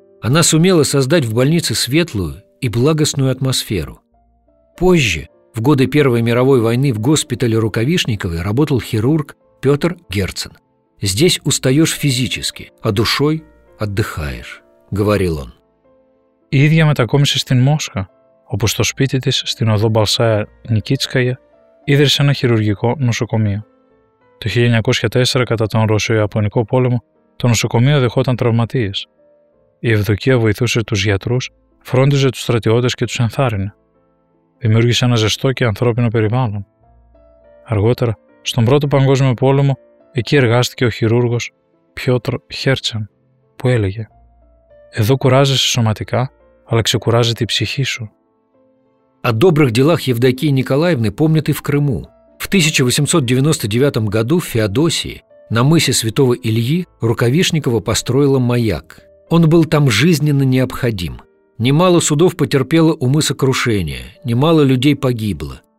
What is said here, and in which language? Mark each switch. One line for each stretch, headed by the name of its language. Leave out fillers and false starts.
Russian: Она сумела создать в больнице светлую и благостную атмосферу. Позже, в годы Первой мировой войны, в госпитале Рукавишниковой работал хирург Петр Герцен. «Здесь устаешь физически, а душой отдыхаешь», — говорил он.
Greek: Η ίδια μετακόμισε στην Μόσχα, όπου στο σπίτι της, στην οδό Μπαλσάια Νικίτσκαγια, ίδρυσε ένα χειρουργικό νοσοκομείο. Το 1904, κατά τον Ρωσιο-Ιαπωνικό πόλεμο, το νοσοκομείο δεχόταν τραυματίες. Η Ευδοκία βοηθούσε τους γιατρούς, φρόντιζε τους στρατιώτες και τους ενθάρρυνε. Δημιούργησε ένα ζεστό και ανθρώπινο περιβάλλον. Αργότερα, στον Πρώτο Παγκόσμιο Πόλεμο, εκεί εργάστηκε ο χειρούργος Πιότρ Χέρτσεν, που έλεγε: «Εδώ κουράζεσαι σωματικά, αλλά ξεκουράζεται η ψυχή σου».
Russian: О добрых делах Евдокии Николаевны помнят и в Крыму. В 1899 году в Феодосии, на мысе Святого Ильи, Рукавишникова построила маяк. Он был там жизненно необходим. Немало судов потерпело у мыса крушение, немало людей погибло.